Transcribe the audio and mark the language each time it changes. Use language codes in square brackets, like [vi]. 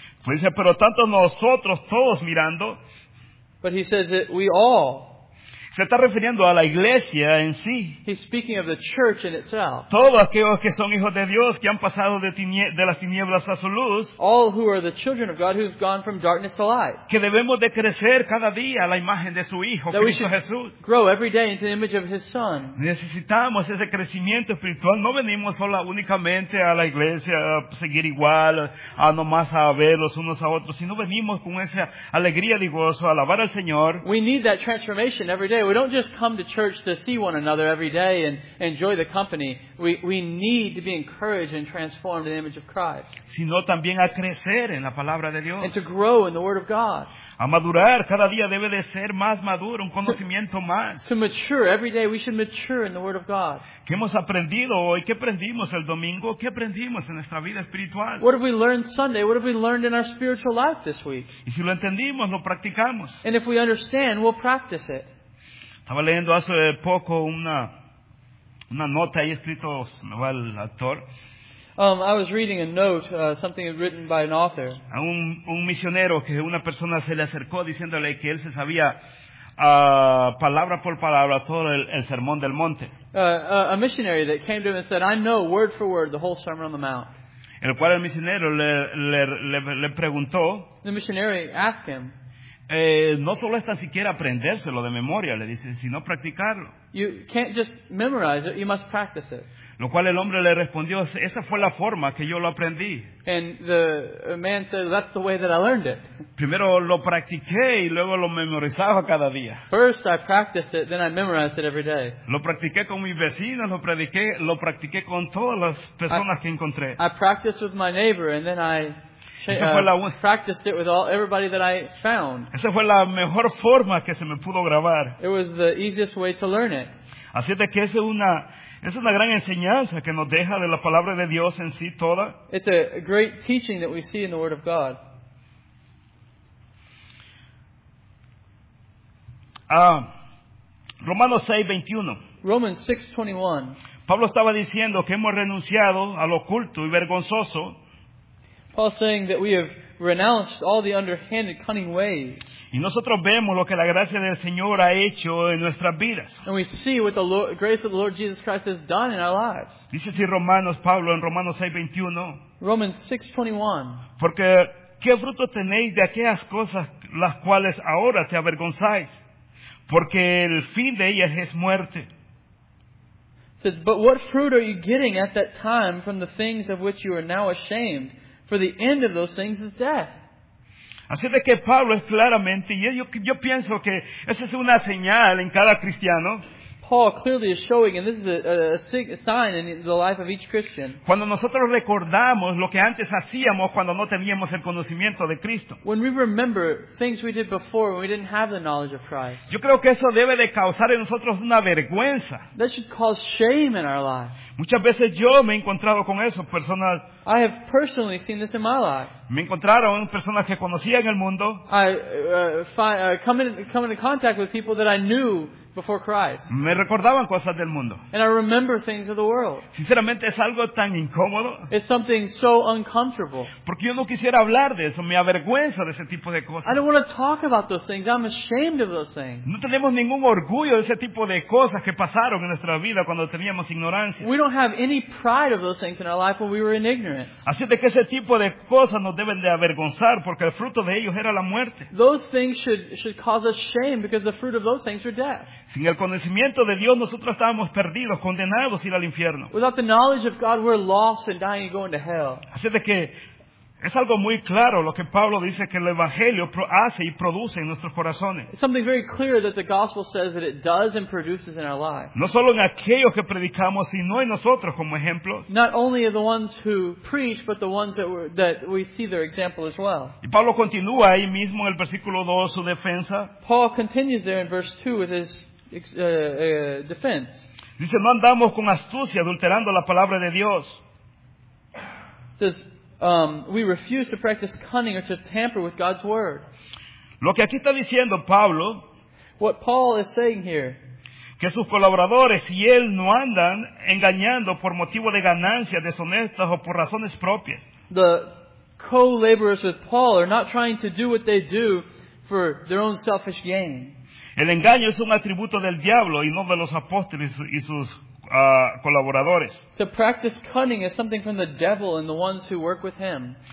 [es] Pues dice, pero tanto nosotros todos mirando. [en] But he says that we all. [es] Se está refiriendo a la iglesia en sí. [en] He's speaking of the church in itself. [es] Todos aquellos que son hijos de Dios, que han pasado de las tinieblas a su luz. [en] All who are the children of God who've gone from darkness to light. [es] Que debemos de crecer cada día a la imagen de su Hijo, [en] that [es] Cristo Jesús. [en] Grow every day into the image of his Son. [es] Necesitamos ese crecimiento espiritual. No venimos solo únicamente a la iglesia a seguir igual, a nomás a ver los unos a otros, sino venimos con esa alegría y gozo a alabar al Señor. [en] We need that transformation every day. We don't just come to church to see one another every day and enjoy the company. We need to be encouraged and transformed in the image of Christ. [es] Sino también a crecer en la palabra de Dios. [en] And to grow in the Word of God. [es] A madurar. Cada día debe de ser más maduro, un conocimiento más. [en] To mature. Every day we should mature in the Word of God. [es] ¿Qué hemos aprendido hoy? ¿Qué aprendimos el domingo? ¿Qué aprendimos en nuestra vida espiritual? [en] What have we learned Sunday? What have we learned in our spiritual life this week? [es] Y si lo entendimos, lo practicamos. [en] And if we understand, we'll practice it. [es] Estaba leyendo hace poco una nota ahí escrito por el autor. [en] I was reading a note, something written by an author. [es] A un misionero que una persona se le acercó diciéndole que él se sabía palabra por palabra todo el sermón del monte. [en] A missionary that came to him and said, I know word for word the whole Sermon on the Mount. [es] El cual el misionero le preguntó. [en] The missionary asked him. [es] No solo es tan siquiera aprendérselo de memoria, le dice, sino practicarlo. [en] You can't just memorize it, you must practice it. [es] Lo cual el hombre le respondió, esa fue la forma que yo lo aprendí. [en] And the man said, that's the way that I learned it. [es] Primero lo practiqué y luego lo memorizaba cada día. [en] First I practiced it, then I memorized it every day. [es] Lo practiqué con mis vecinos, lo practiqué con todas las personas que encontré. [en] I practiced with my neighbor and then I practiced it with everybody that I found. [es] Esa fue la mejor forma que se me pudo grabar. [en] It was the easiest way to learn it. [es] Así de que es una gran enseñanza que nos deja de la palabra de Dios en sí toda. [en] It's a great teaching that we see in the Word of God. [es] Romanos 6:21. [en] Romans 6:21. [es] Pablo estaba diciendo que hemos renunciado a lo oculto y vergonzoso. [en] Paul saying that we have renounced all the underhanded, cunning ways. [es] Y nosotros vemos lo que la gracia del Señor ha hecho en nuestras vidas. [en] And we see what the grace of the Lord Jesus Christ has done in our lives. [es] Dice así Romanos, Pablo, en Romanos 6:21. [en] Romans 6:21. [es] Porque, ¿qué fruto tenéis de aquellas cosas las cuales ahora te avergonzáis? Porque el fin de ellas es muerte. [en] It says, but what fruit are you getting at that time from the things of which you are now ashamed? For the end of those things is death. [es] Así de que Pablo es claramente, y yo pienso que esa es una señal en cada cristiano. [en] Paul clearly is showing, and this is a sign in the life of each Christian. [es] Cuando nosotros recordamos lo que antes hacíamos cuando no teníamos el conocimiento de Cristo. [en] When we remember things we did before when we didn't have the knowledge of Christ. [es] Yo creo que eso debe de causar en nosotros una vergüenza. [en] That should cause shame in our lives. [es] Muchas veces yo me he encontrado con eso, personas. [en] I have personally seen this in my life. [es] Me encontraron personas que conocía en el mundo. [en] I come into contact with people that I knew before Christ. [es] Me recordaban cosas del mundo. [en] And I remember things of the world. [es] Sinceramente, es algo tan incómodo. [en] It's something so uncomfortable. [es] Porque yo no quisiera hablar de eso. Me avergüenza de ese tipo de cosas. [en] I don't want to talk about those things. I'm ashamed of those things. [es] No tenemos ningún orgullo de ese tipo de cosas que pasaron en nuestra vida cuando teníamos ignorancia. [en] We don't have any pride of those things in our life when we were in ignorance. [es] Así de que ese tipo de cosas nos deben de avergonzar porque el fruto de ellos era la muerte. [en] Those things should cause us shame because the fruit of those things were death. [es] Sin el conocimiento de Dios, nosotros estábamos perdidos, condenados a ir al infierno. [en] Without the knowledge of God, we're lost and dying and going to hell. [es] Así de que es algo muy claro lo que Pablo dice que el Evangelio hace y produce en nuestros corazones. [en] It's something very clear that the gospel says that it does and produces in our lives. [es] No solo en aquellos que predicamos, sino en nosotros como ejemplos. [en] Not only the ones who preach, but the ones that we see their example as well. [es] Y Pablo continúa ahí mismo en el versículo 2 su defensa. [en] Paul continues there in verse 2 with his defense. [es] Dice, no andamos con astucia adulterando la palabra de Dios. [en] Says, we refuse to practice cunning or to tamper with God's word. [es] Lo que aquí está diciendo Pablo, [en] what Paul is saying here, [es] que sus colaboradores y él no andan engañando por motivo de ganancias deshonestas o por razones propias. [en] The co-laborers with Paul are not trying to do what they do for their own selfish gain. [es] El engaño es un atributo del diablo y no de los apóstoles y sus colaboradores. [en] To practice cunning is something from the devil and the ones who work with him.